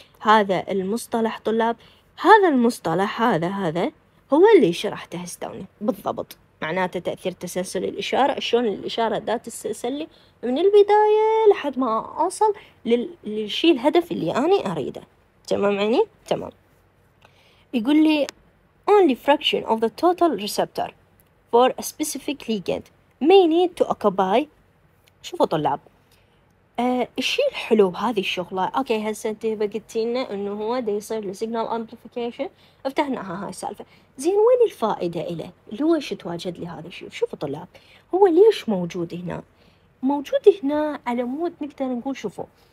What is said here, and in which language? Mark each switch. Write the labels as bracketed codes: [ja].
[ar] هذا المصطلح طلاب، هذا المصطلح هذا هو اللي شرحته ستوني بالضبط، معناته تأثير تسلسل الإشارة، شلون الإشارة ذات تسلسلي من البداية لحد ما أوصل للشيء الهدف اللي أنا أريده، تمام يعني؟ تمام. يقول لي [en] only fraction of the total receptor for a specific ligand may need to occupy. [ar] شوفوا طلاب، الشيء الحلو بهذه الشغلة، اوكي هسه انت بقيتينا انه هو دا يصير لسيجنال امبليفيكيشن، افتحناها هاي السالفة، زين وين الفائدة إله؟ ليش تواجد لي هذا الشيء؟ شوفوا طلاب، هو ليش موجود هنا؟ موجود هنا على مود نقدر نقول، شوفوا